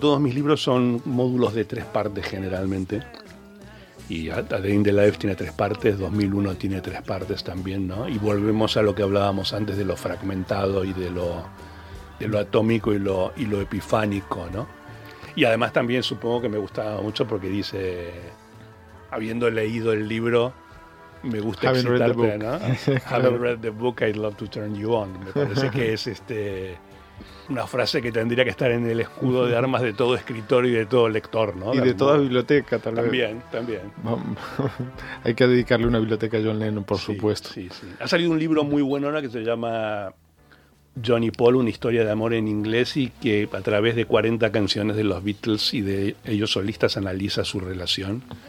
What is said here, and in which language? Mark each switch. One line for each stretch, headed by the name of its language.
Spanish: Todos mis libros son módulos de tres partes generalmente, y A Day in the Life tiene tres partes, 2001 tiene tres partes también, ¿no? Y volvemos a lo que hablábamos antes de lo fragmentado y de lo atómico y lo epifánico, ¿no? Y además también supongo que me gustaba mucho porque dice, habiendo leído el libro, me gusta excitarte, ¿no?
English: Haven't read the book, I'd love to turn you on.
Spanish: Me parece que es una frase que tendría que estar en el escudo de armas de todo escritor y de todo lector, ¿no? Y de toda biblioteca, tal vez. También, también. Hay que dedicarle una biblioteca a John Lennon, por supuesto. Sí, sí. Ha salido un libro muy bueno ahora que se llama John y Paul, una historia de amor en inglés, y que a través de 40 canciones de los Beatles y de ellos solistas analiza su relación.